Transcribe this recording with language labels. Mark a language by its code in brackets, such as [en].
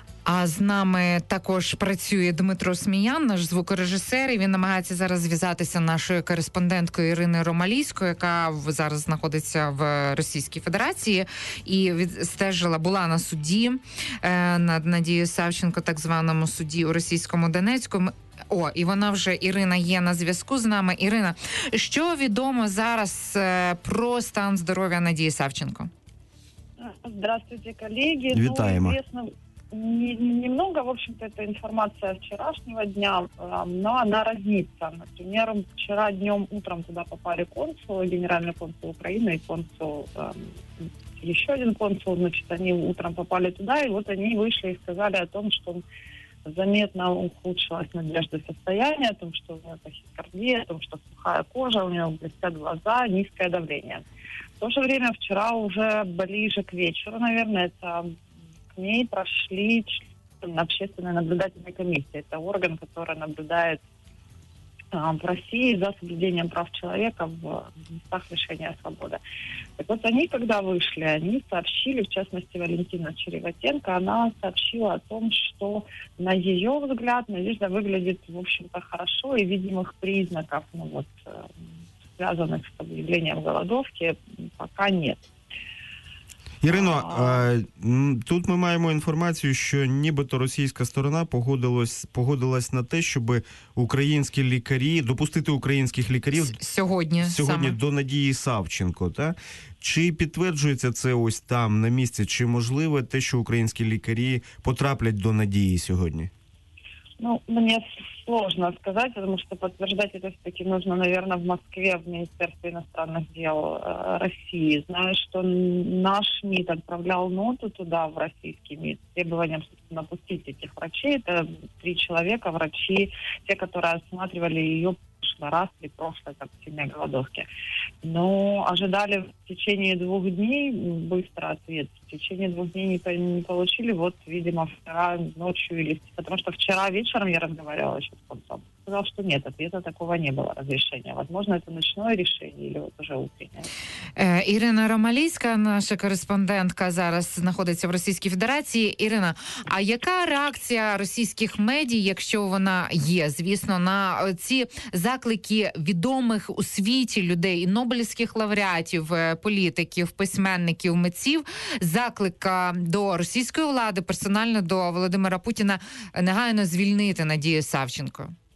[uk] А з нами також працює Дмитро Сміян, наш звукорежисер, і він намагається зараз зв'язатися з нашою кореспонденткою Іриною Ромалійською, яка зараз знаходиться в Російській Федерації і стежила, була на суді над Надією Савченко, так званому суді у російському Донецьку. О, і вона вже, Ірина, є на зв'язку з нами. Ірина, що відомо зараз про стан здоров'я Надії Савченко? [ru] Здравствуйте, коллеги. [uk] Вітаємо. [ru] Немного, в общем-то, это информация вчерашнего дня, но она разнится. Например, вчера днем утром туда попали консул, генеральный консул Украины и консул, еще один консул, значит, они утром попали туда, и вот они вышли и сказали о том, что заметно ухудшилась Надежда состояние, о том, что у нее тахикардия, о том, что сухая кожа, у нее блестят глаза, низкое давление. В то же время вчера уже ближе к вечеру, наверное, это... С ней прошли общественная наблюдательная комиссия. Это орган, который наблюдает в России за соблюдением прав человека в местах лишения свободы. Так вот, они когда вышли, они сообщили, в частности, Валентина Череватенко, она сообщила о том, что на ее взгляд Надежда выглядит, в общем-то, хорошо и видимых признаков, ну вот, связанных с объявлением голодовки, пока нет. [uk] Ірино, тут ми маємо інформацію, що нібито російська сторона погодилась на те, щоб українські лікарі, допустити українських лікарів сьогодні до Надії Савченко. Та? Чи підтверджується це ось там, на місці, чи можливе те, що українські лікарі потраплять до Надії сьогодні? [ru] Ну, мені сложно сказать, потому что подтверждать это все-таки нужно, наверное, в Москве, в Министерстве иностранных дел России. Знаю, что наш МИД отправлял ноту туда, в российский МИД, с требованием, собственно, пустить этих врачей. Это три человека, врачи, те, которые осматривали ее прошлый раз или прошлой так, сильной голодовки. Но ожидали в течение двух дней быстро ответ. В течение двух дней не получили. Вот, видимо, вчера ночью или... Потому что вчера вечером я разговаривала еще с консом. Сказал, что нет, ответа такого не было, разрешения. Возможно, это ночное решение или вот уже утреннее. [uk] Ірина Ромалійська, наша кореспондентка, зараз знаходиться в Російській Федерації. Ірина, а яка реакція російських медій, якщо вона є, звісно, на ці заклики відомих у світі людей, і нобелівських лауреатів, політиків, письменників, митців, заклика до російської влади, персонально до Володимира Путіна, негайно звільнити Надію Савченко?